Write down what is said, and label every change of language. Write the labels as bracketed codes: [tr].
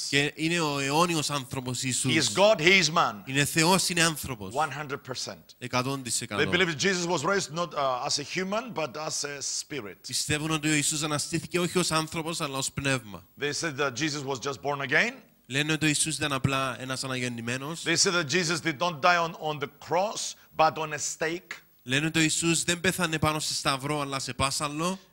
[el] Και είναι ο αιώνιος άνθρωπος Ιησούς. [en] He is God, he is man. [el] Είναι Θεός, είναι άνθρωπος. 100%. 100%. [en] They believe that Jesus was raised not as a human but as a spirit. [el] Πιστεύουν ότι ο Ιησούς αναστήθηκε όχι ως άνθρωπος αλλά ως πνεύμα. [en] They said that Jesus was just born again. [el] Λένε ότι ο Ιησούς ήταν απλά ένας αναγεννημένος. [en] They said that Jesus did not die on the cross. But on a stake. [el] Λένε ότι ο Ιησούς δεν πέθανε πάνω σε σταυρό, αλλά σε πάσαλο.